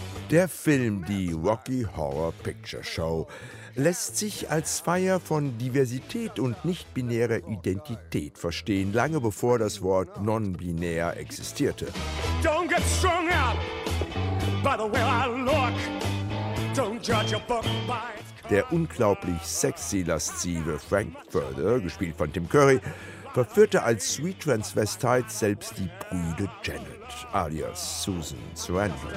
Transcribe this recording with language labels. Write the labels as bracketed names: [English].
[German] Der Film, die Rocky Horror Picture Show, lässt sich als Feier von Diversität und nicht-binärer Identität verstehen, lange bevor das Wort non-binär existierte. [English] Don't get strung out by the way I look. Don't judge a book by. [German] Der unglaublich sexy, laszive Frank Furder, gespielt von Tim Curry, verführte als Sweet Transvestite selbst die brüde Janet, alias Susan Sarandon.